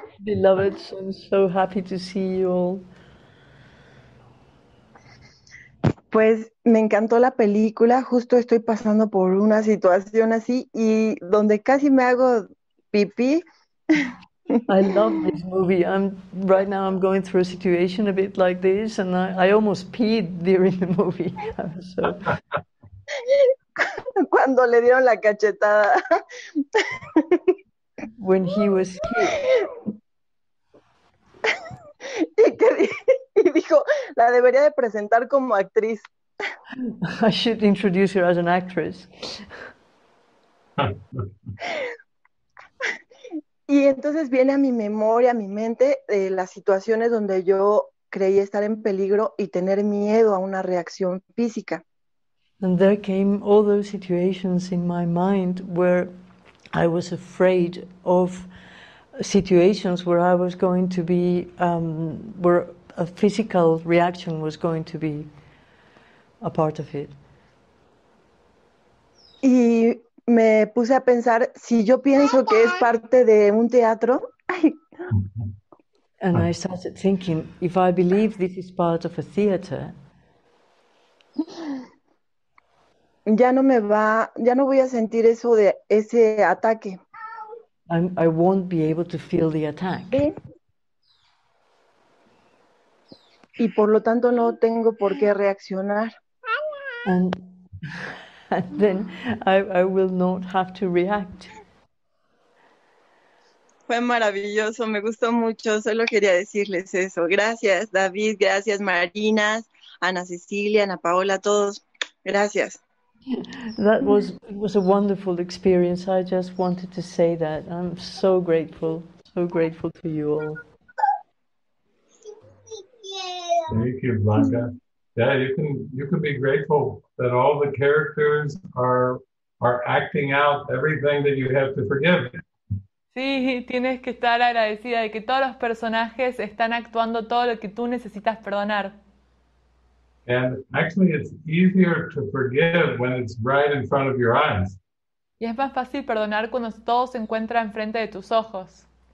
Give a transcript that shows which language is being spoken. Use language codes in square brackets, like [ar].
[en] Beloved, I'm so happy to see you all. [es] Pues me encantó la película. Justo estoy pasando por una situación así y donde casi me hago pipí. [en] I love this movie. Right now I'm going through a situation a bit like this, and I almost peed during the movie. So. [es] Cuando le dieron la cachetada. [en] When he was here. [es] Y dijo, la debería de presentar como actriz. [en] I should introduce her as an actress. [es] Y entonces viene a mi memoria, a mi mente, las situaciones donde yo creí estar en peligro y tener miedo a una reacción física. [en] And there came all those situations in my mind where I was afraid of situations where I was going to be, where a physical reaction was going to be a part of it. [es] Y me puse a pensar, si yo pienso que es parte de un teatro, ay. [en] And I started thinking, if I believe this is part of a theater, [es] ya no voy a sentir eso de ese ataque. [en] I won't be able to feel the attack. [es] Y por lo tanto no tengo por qué reaccionar. [en] And then I will not have to react. [es] Fue maravilloso, me gustó mucho. Solo quería decirles eso. Gracias, David. Gracias, Marina, Ana Cecilia, Ana Paola, todos. Gracias. [en] That was a wonderful experience. I just wanted to say that I'm so grateful to you all. Thank you, Blanca. Yeah, you can be grateful that all the characters are acting out everything that you have to forgive. [es] Sí, tienes que estar agradecida de que todos los personajes están actuando todo lo que tú necesitas perdonar. [en] And actually, it's easier to forgive when it's right in front of your eyes. [es] Y es más fácil perdonar cuando todo se encuentra enfrente de tus ojos.